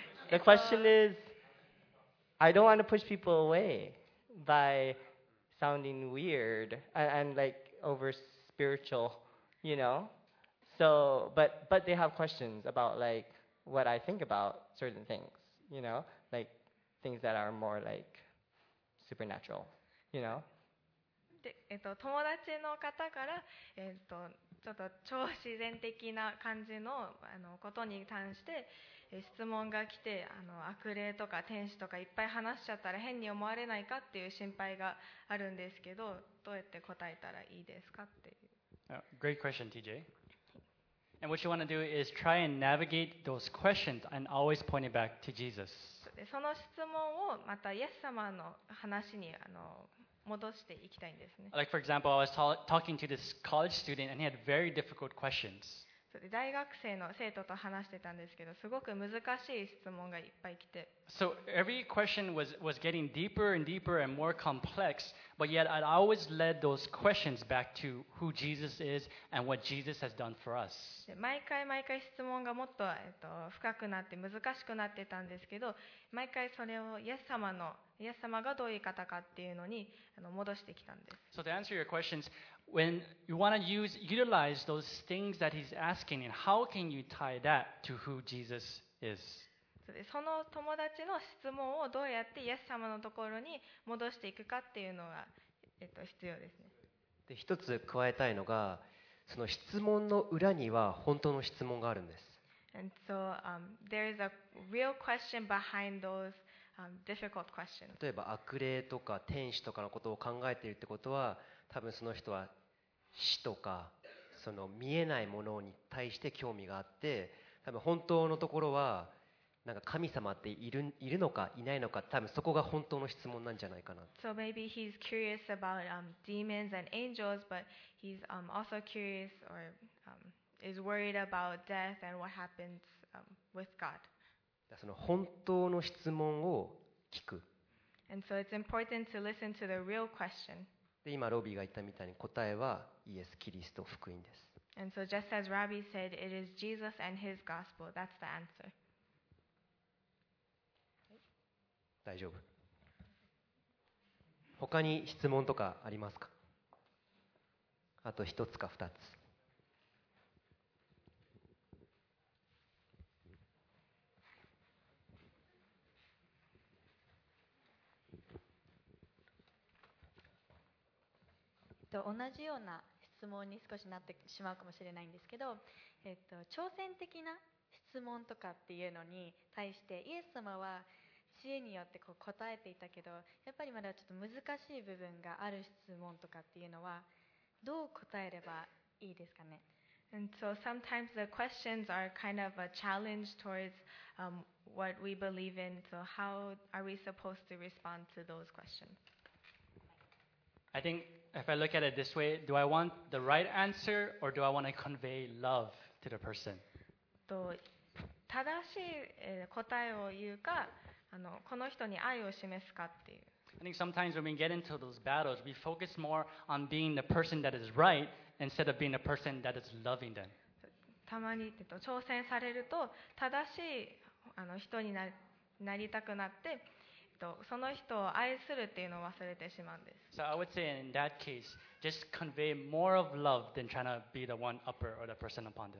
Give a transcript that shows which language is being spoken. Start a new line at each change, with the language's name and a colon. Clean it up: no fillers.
English: The question is, I don't want to push people away by sounding weird and like over spiritual, you know? So, but they have questions about like what I think about certain things, you know? Like things that are more like supernatural, you know?
Japanese: で、友達の方から、ちょっと超自然的な感じの、ことに関して、質問が来て、悪霊とか天使とかいっぱい話しちゃったら変に思われないかっていう心配があるんですけど、どうやって答えたらいいですかっていう。
English: Great question, TJ. And what you want to do is try and navigate those questions and always point it back to Jesus.
Japanese: その質問をまたイエス様の話に、戻していきたいんですね。
English: Like for example, I was talking to this college student and he had very difficult questions. So,
Japanese: 大学生の生徒と話してたんですけど、すごく難しい質問がいっぱい来て。
English: So, every question was getting deeper and deeper and more complex, but yet I'd always led those questions back to who Jesus is and what Jesus has done for us.
Japanese: 毎回毎回質問がもっと、深くなって難しくなってたんですけど、毎回それをイエス様のイエス様がどういう方かっていうのに戻してきたんです。
English: So to answer your questions, when you want to utilize those things that he's asking, and how can you tie that to who Jesus is?
Japanese: その友達の質問をどうやってイエス様のところに戻していくかっていうのが、必要ですね。で、一つ加えたいのが、その質問の裏には本当の質問があるんです。
English: And so, there is a real question behind those. Difficult question.
Japanese: 例えば悪霊とか天使とかのことを考えているってことは、多分その人は死とかその見えないものに対して興味があって、多分本当のところはなんか神様っているのかいないのか、多分そこが本当の質問なんじゃないかな。
English: So maybe he's curious about demons and angels, but he's also curious or is worried about death and what happens with God.
Japanese: その本当の質問を聞く。
English: And so it's important to listen to the real question.
Japanese: で、今ロビーが言ったみたいに答えはイエス・キリスト福音です。
English: And so just as Robbie said, it is Jesus and his gospel. That's the answer.
Japanese: 大丈夫。他に質問とかありますか？あと一つか二つ。同じような質問に少しなってしまうかもしれないんですけど、挑戦的な質問とかっていうのに対してイエス様は知恵によってこう答えていたけど、やっぱりまだちょっと難しい部分がある質問とかっていうのはどう答えればいいですかね。
English: And so sometimes the questions are kind of a challenge towards what we believe in. So how are we supposed to respond to those questions? I thinkIf I look at it this way, do I want the right answer or do I want to convey love to the person?
Japanese: 正しい答えを言うか、この人に愛を示すかっていう。
English: I think sometimes when we get into those battles, we focus more on being the person that is right instead of being the person that is loving them.
Japanese: たまに挑戦されると、正しい人になりたくなって、その人を愛するっていうのを忘れてしまうんです。
English: So I would say in that case, just convey more of love than trying to be the one upper or the person upon them.